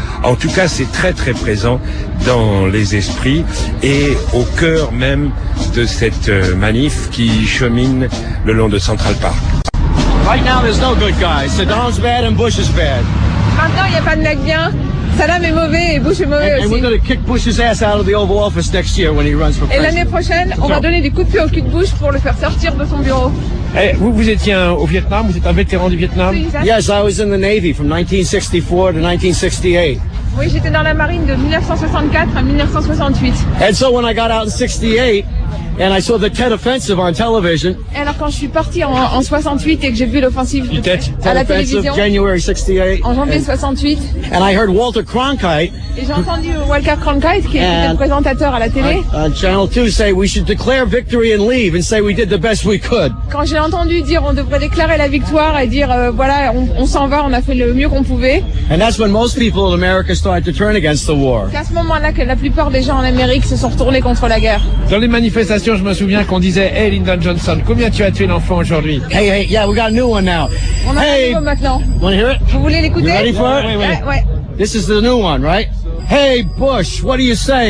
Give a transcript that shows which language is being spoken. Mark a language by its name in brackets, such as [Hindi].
[French] En tout cas, c'est très très présent dans les esprits et au cœur même de cette manif qui chemine le long de Central Park. [English] Right now, there's no good guys. Saddam's bad and Bush is bad. [French] Maintenant, il y a pas de mec bien. Saddam est mauvais et Bush est mauvais [English] and [French] aussi. [English] And we're going to kick Bush's ass out of the Oval Office next year when he runs for president. [French] Et l'année prochaine, on va donner des coups de pied au cul de Bush pour le faire sortir de son bureau. Hey, vous étiez au Vietnam. Vous êtes un vétéran du Vietnam. Oui, [English] yes, I was in the Navy from 1964 to 1968. [French] Oui, j'étais dans la marine de 1964 à 1968. [English] And so when I got out in 68. And I saw the Tet Offensive on television. [French] Et alors quand je suis parti en 68 et que j'ai vu l'offensive de Tet à la télévision, [English] January 68, [French] en janvier 68, [English] and I heard Walter Cronkite, [French] et j'ai entendu Walter Cronkite qui était le présentateur à la télé, [English] on Channel 2 say we should declare victory and leave and say we did the best we could. [French] Quand j'ai entendu dire on devrait déclarer la victoire et dire voilà, on s'en va, on a fait le mieux qu'on pouvait. [English] And that's when most people in America started to turn against the war. [French] C'est à ce moment-là que la plupart des gens en Amérique se sont retournés contre la guerre. Dans les manifestations, je me souviens qu'on disait, hey Lyndon Johnson, combien tu as tué d'enfants aujourd'hui? [English] Hey, hey, yeah, we got a new one now. [French] On a hey, un nouveau maintenant. [English] Want to hear it? [French] Vous voulez l'écouter? [English] You ready for it? [French] Ouais. [English] This is the new one, right? Hey Bush, what do you say?